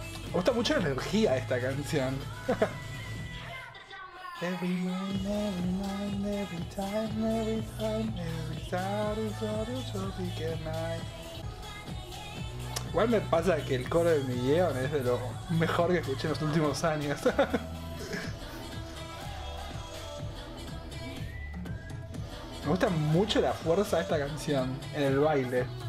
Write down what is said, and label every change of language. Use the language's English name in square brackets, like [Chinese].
[Spanish] Me gusta mucho la energía de esta canción. [English] Every moment, every time, every time, every time, every time, every night. [Spanish] Igual me pasa que el coro de Millón es de lo mejor que escuché en los últimos años. Me gusta mucho la fuerza de esta canción en el baile.